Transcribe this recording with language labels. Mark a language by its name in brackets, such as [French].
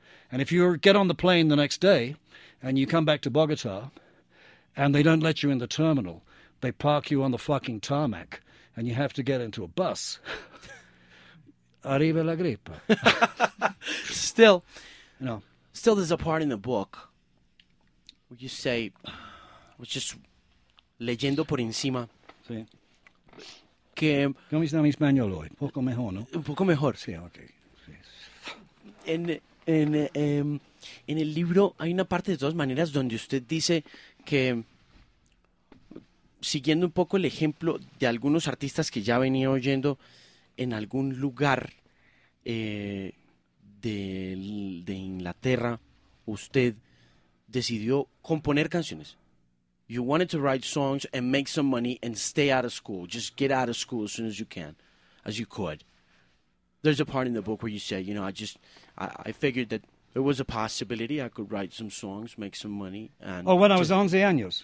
[English] And if you get on the plane the next day and you come back to Bogota and they don't let you in the terminal, they park you on the fucking tarmac and you have to get into a bus. [Spanish] Arriba la gripa. [English] Still, you know. Still, there's a part in the book where you say, which is [Spanish] leyendo por encima. Sí. Que, ¿cómo está mi español hoy? Un poco mejor, ¿no? Un poco mejor. Sí, ok. Sí. En el libro hay una parte de todas maneras donde usted dice que, siguiendo un poco el ejemplo de algunos artistas que ya venía oyendo en algún lugar de Inglaterra, usted decidió componer canciones. [English] You wanted to write songs and make some money and stay out of school. Just get out of school as soon as you can, as you could. There's a part in the book where you say, you know, I figured that there was a possibility I could write some songs, make some money. And oh, when I was 11 años.